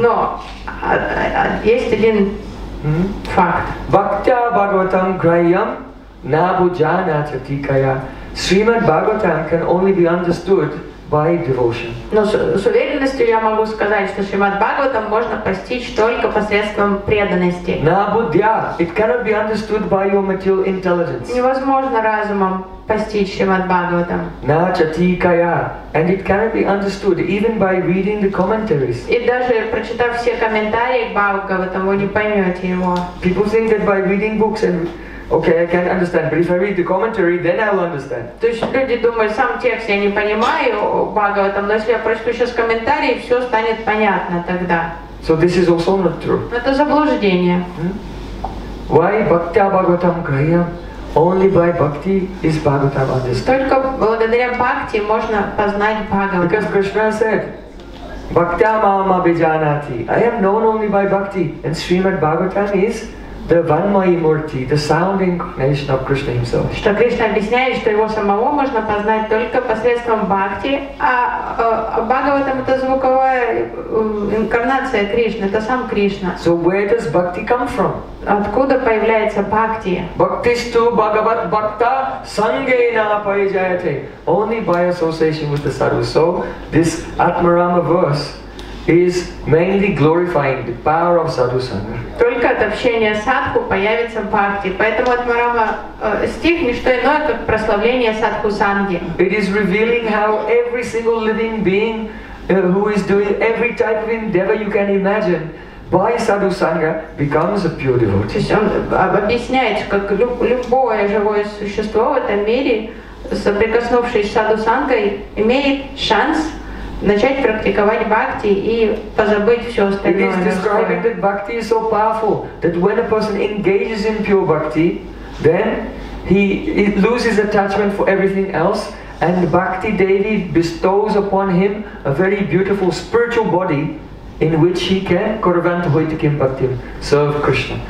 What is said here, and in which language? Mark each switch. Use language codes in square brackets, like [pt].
[ru] No, есть один факт. [sa] Bhaktya Bhagavatam Grahyam Nabhujana Chatikaya. [en] Srimad Bhagavatam can only be understood by devotion. [ru] Но с уверенностью я могу сказать, что Srimad Bhagavatam можно постичь только посредством преданности. [en] Nabhudya, it cannot be understood by your material intelligence. [ru] Невозможно разумом постичь Шримад Бхагаватам. [sa] На чатикая. [en] And it cannot be understood even by reading the commentaries. [ru] И даже прочитав все комментарии к Бхагаватам, вы не поймете его. [en] People think that by reading books and okay, I can understand, but if I read the commentary, then I'll understand. [ru] То есть люди думают, сам текст я не понимаю Бхагаватам, но если я прочту сейчас комментарии, все станет понятно тогда. [en] So this is also not true. [ru] Это заблуждение. [en] Why Bhaktya Bhagavatam Grahya? Only by bhakti is Bhagavatam understood. [ru] Только благодаря бхакти можно познать Бхагаватам. [en] Because Krishna said, [sa] Bhaktya Mama Bijanati. [en] I am known only by bhakti. And Srimad Bhagavatam is the Vanmayi Murti, the sound incarnation of Krishna himself. [ru] Что Кришна объясняет, что его самого можно познать только посредством бхакти, а Бхагаватам это звуковая инкарнация Кришны, это сам Кришна. [en] So where does bhakti come from? [ru] Откуда появляется бхакти? [sa] Бхактисту Бхагават Бхакта Сангейна Пайджаяте. [en] Only by association with the sadhu. So this Atmarama verse is mainly glorifying the power of sadhu sangha. [ru] Только от общения садху появится бхакти. Поэтому Атмарама стих не что иное, как прославление садху санги. [en] It is revealing how every single living being who is doing every type of endeavor you can imagine. Why Sadhu Sangha becomes a pure devotee? [ru] То есть он объясняет, как любое живое существо в этом мире, соприкоснувшись с Саду Сангой, имеет шанс начать практиковать бхакти и позабыть все остальное. [en] It is described that bhakti is so powerful that when a person engages in pure bhakti, then he loses attachment for everything else, and bhakti devi bestows upon him a very beautiful spiritual body in which he can [sa] Kuravanta Hoitakim Bhaktim [en] serve Krishna.